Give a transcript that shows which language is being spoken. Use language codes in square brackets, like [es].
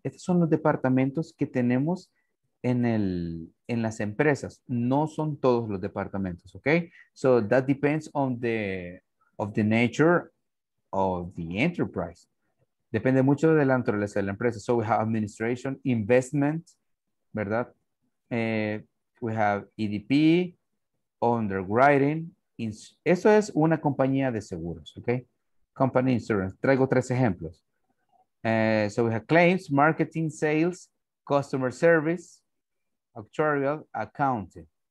[es] Estos son los departamentos que tenemos en las empresas. No son todos los departamentos. Okay? [en] So that depends on the of the nature of the enterprise. [es] Depende mucho de la naturaleza de la empresa. [en] So we have administration, investment, [es] ¿verdad? [en] we have EDP, underwriting. [es] Eso es una compañía de seguros, okay? [en] Company insurance. [es] Traigo tres ejemplos. [en] So we have claims, marketing, sales, customer service, actuarial, accounting.